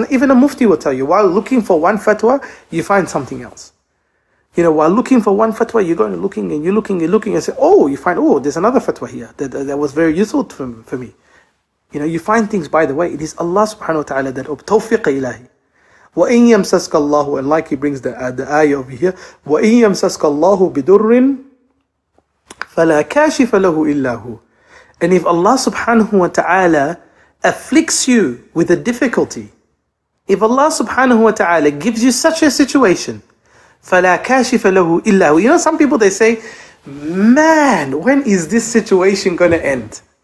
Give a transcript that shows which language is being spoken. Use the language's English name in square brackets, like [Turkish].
[English] And even a mufti will tell you, while looking for one fatwa, you find something else. You know, while looking for one fatwa, you're going and looking and you're looking and looking and say, oh, you find, oh, there's another fatwa here that was very useful for me. You know, you find things, by the way, it is Allah subhanahu wa ta'ala that tawfiq ilahi. [Arabic] وَإِن يَمْسَسْكَ اللَّهُ, [English] and like he brings the ayah over here, [Arabic] وَإِن يَمْسَسْكَ اللَّهُ بِدُرٍ فَلَا كَاشِفَ لَهُ إِلَّا هُ. [English] And if Allah subhanahu wa ta'ala afflicts you with a difficulty, if Allah subhanahu wa ta'ala gives you such a situation, [Arabic] فَلَا كَاشِفَ لَهُ إِلَّا هُ. [English] You know, some people, they say, man, when is this situation going to end?